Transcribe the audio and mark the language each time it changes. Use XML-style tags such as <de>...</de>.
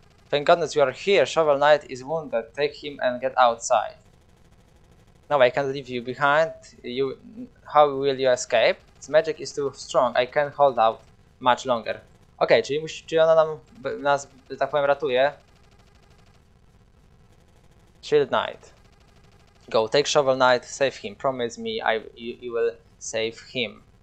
<en>Thank goodness you are here. Shovel Knight is wounded. Take him and get outside. No, I can't leave you behind. You, how will you escape? His magic is too strong. I can't hold out much longer.</en> <pl>Okej, okay, czyli ona nam, nas, tak powiem, ratuje.</pl> <en>Shield Knight. Go, take Shovel Knight, save him. Promise me you will save him.</en>